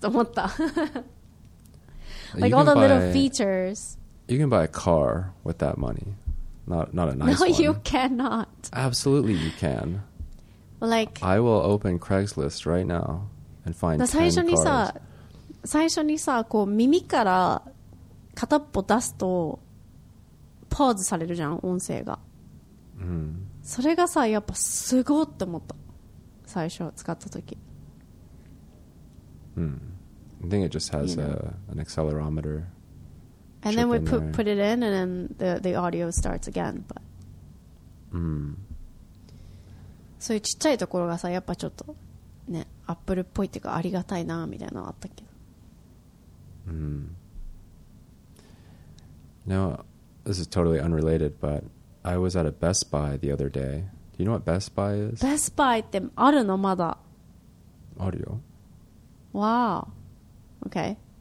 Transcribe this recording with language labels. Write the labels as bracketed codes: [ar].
[ja] と思った。 [en] Like, all the little features. You can buy a car with that money. Not a nice one. No, you cannot. Absolutely, you can. Like, I will open Craigslist right now and find 10 cars. [ja] 最初にさ、こう耳から片っぽ出すとポーズされるじゃん、音声が。それがさ、やっぱすごいって思った。最初使った時。 [en] I think it just has an accelerometer. And then we put it in, and then the audio starts again. But. [ja] そういうちっちゃいところがさ、やっぱちょっとね、アップルっぽいっていうかありがたいなみたいなのあったけど。 [en] Now, this is totally unrelated, but I was at a Best Buy the other day. Do you know what Best Buy is? [ja] Best Buy ってあるのまだ。あるよ。 [en] Wow. Okay.